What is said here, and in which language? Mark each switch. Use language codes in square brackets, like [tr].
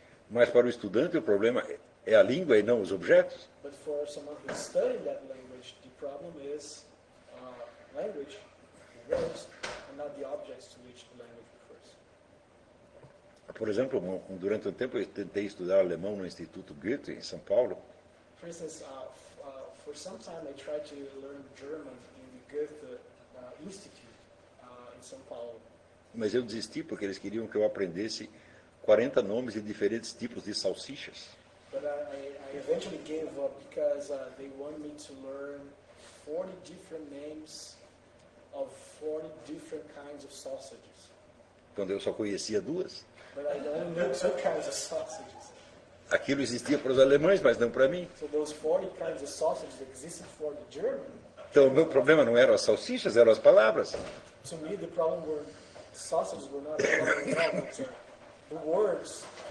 [pt] Mas para o estudante o problema é a língua e não os objetos. [en] But for someone who's studying that language, the problem is language, the words, and not the objects to which the language refers. [pt] Por exemplo, durante um tempo eu tentei estudar alemão no Instituto Goethe em São Paulo. [en] For instance, for some time I tried to learn German in the Goethe Institute in São Paulo. [pt] Mas eu desisti porque eles queriam que eu aprendesse 40 nomes de diferentes tipos de salsichas. [en] But I eventually gave up because they wanted me to learn 40 different names of 40 different kinds of sausages. [pt] Quando eu só conhecia duas. [en] But I only knew two kinds of sausages. [pt] Aquilo existia para os alemães, mas não para mim. [en] So those 40 kinds of sausages existed for the German. [pt] Então o meu problema não eram as salsichas, eram as palavras. [en] To me the problem were sausages were not the problem, the words.